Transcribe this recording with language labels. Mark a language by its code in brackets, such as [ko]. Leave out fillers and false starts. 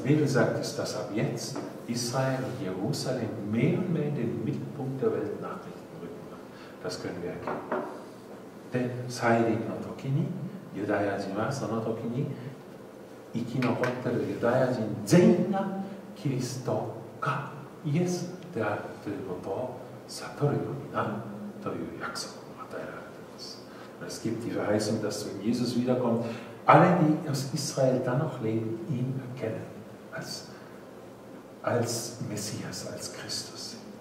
[de] Was die Bibel sagt ist, dass ab jetzt Israel und Jerusalem mehr und mehr den Mittelpunkt der Weltnachrichten rücken. Das können wir erkennen. [ja] で、再臨の時にユダヤ人はその時に生き残っているユダヤ人全員がキリストかイエスであるということを悟るようになるという約束を与えられています。 [de] Es gibt die Verheißung, dass wenn Jesus wiederkommt, alle, die aus Israel dann noch leben, ihn erkennen als Messias, als Christus.